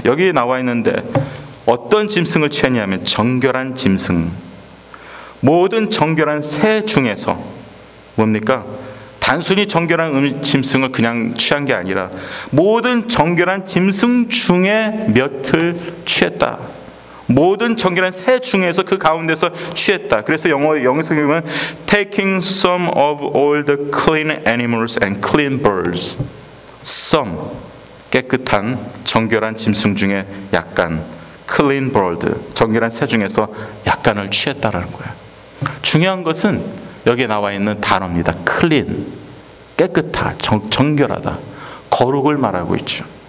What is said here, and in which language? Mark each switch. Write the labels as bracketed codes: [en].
[ko] 여기에 나와 있는데 어떤 짐승을 취했냐면 정결한 짐승, 모든 정결한 새 중에서 뭡니까? 단순히 정결한 짐승을 그냥 취한 게 아니라 모든 정결한 짐승 중에 몇을 취했다. 모든 정결한 새 중에서 그 가운데서 취했다. 그래서 영어성경은 [en] taking some of all the clean animals and clean birds. [ko] Some, 깨끗한 정결한 짐승 중에 약간, clean bird, 정결한 새 중에서 약간을 취했다라는 거예요. 중요한 것은 여기에 나와 있는 단어입니다. clean, 깨끗하, 정결하다, 거룩을 말하고 있죠.